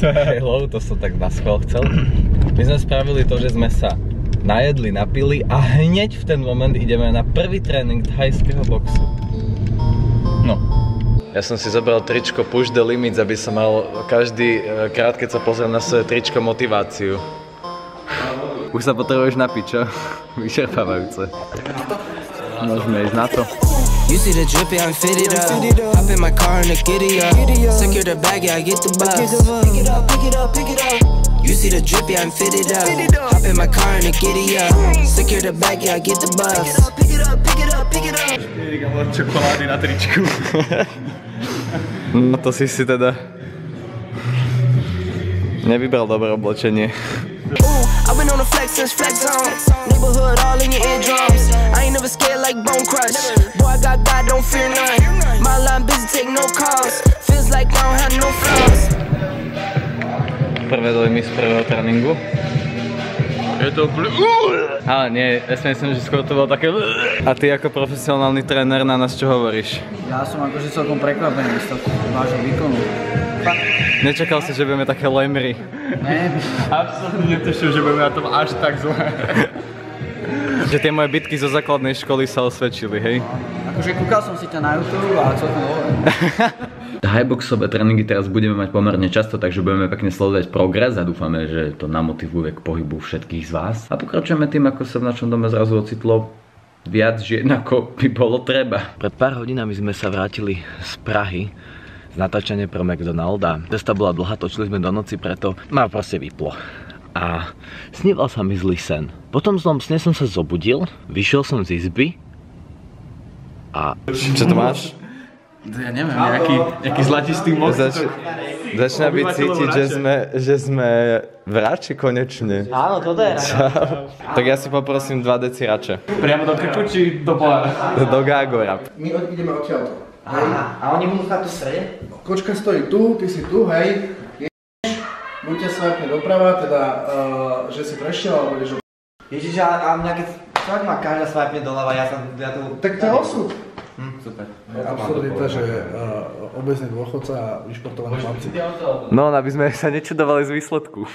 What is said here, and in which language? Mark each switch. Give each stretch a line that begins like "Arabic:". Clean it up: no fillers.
Slovak: Hello, to som tak na schvál chcel. My sme spravili to, že sme sa najedli, napili a hneď v ten moment ideme na prvý tréning thajského boxu. No. Ja som si zobral tričko Push the Limits, aby som mal každý krát, keď sa pozriem na svoje tričko, motiváciu. Už sa potrebuješ napiť, čo? Vyčerpávajúce. Môžeme ísť na to.
English: You see the drippy, I'm fitted up. Hop in my car in a giddy up. Secure the bag, yeah, I get the bus. Pick it up, pick it up, pick it up. You see the drippy, I'm fitted up. Hop in my car in a giddy up. Secure the bag, yeah, I get the bus. Pick it up, pick it up, pick it up.
Slovak: Čokolády na tričku. No to si si teda nevybral dobré oblečenie.
English: I've been on a flex since flex zone. Neighborhood all in your eardrums. I ain't never scared like bone crush. Boy, I got God, don't fear none. My line busy, take no calls. Feels like I don't have no flaws.
Slovak: Prvé dojmy z prvého tréningu. Je to blí... Ale nie, ja si myslím, že skôr to bolo také... A ty ako profesionálny tréner na nás čo hovoríš? Ja som akože celkom prekvapený z toho vášho výkonu. Nečakal si, že budeme také lemry. Ne. Absolutne neteším, že budeme na tom až tak zle. Že tie moje bitky zo základnej školy sa osvedčili, hej? No, akože kúkal som si ťa na YouTube a čo to bolo. Highboxové tréningy teraz budeme mať pomerne často, takže budeme pekne sledovať progres a dúfame, že to namotivuje k pohybu všetkých z vás. A pokračujeme tým, ako sa v našom dome zrazu ocitlo viac žien, ako by bolo treba. Pred pár hodinami sme sa vrátili z Prahy z natáčania pre McDonalda. Cesta bola dlhá, točili sme do noci, preto ma proste vyplo. A sníval sa mi zlý sen. Po tom zlom sne som sa zobudil, vyšiel som z izby a... Čo to máš? Ja neviem, nejaký zlatistý mozog. Začína byť cítiť, že sme v rače konečne. Áno, toto je rače. Tak ja si poprosím 2 deci rače. Priamo do krku či do pohára? Do Gágora. My ideme odtiaľto. A oni budú stáť tu srede? Kočka stojí tu, ty si tu, hej. Buďte svetne doprava, teda, že si prešiel, alebo budeš obi***. Ježiš, a mňa keď... Tak ma každá svetne doľava, ja tu... Tak to je osud. Super. Absurdita, že obecný dôchodca a vyšportovaný mamci. No, aby sme sa nečudovali z výsledku.